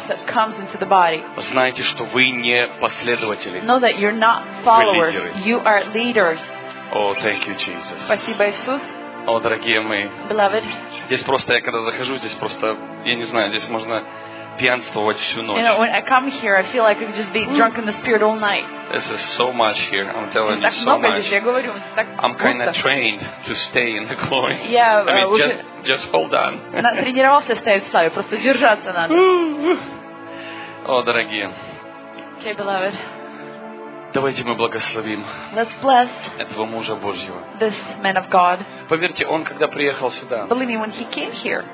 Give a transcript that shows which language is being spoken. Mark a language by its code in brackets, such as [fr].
[en] Else that comes into the body. [ru] Знаете, что вы не последователи. [en] Know that you're not followers. [ru] Вы лидеры. [en] You are leaders. Oh, thank you, Jesus. [ru] Спасибо, Иисус. О, дорогие мои. [en] Beloved. [ru] Здесь просто, я когда захожу, здесь просто, я не знаю, здесь можно пьянствовать всю ночь. [en] You know, when I come here, I feel like I could just be drunk in the spirit all night. This is so much here. I'm telling you, so [ru] много [en] much. [ru] Здесь, я говорю, так [en] I'm kind of trained to stay in the glory. Yeah, I mean, just hold on. [ru] Тренировался стоять в славе, просто держаться надо. О, дорогие. [en] Okay, beloved. [ru] Давайте мы благословим [en] Let's bless [ru] этого мужа Божьего. [en] This man of God. [ru] Поверьте, он когда приехал сюда, [en] Believe me, when he came here,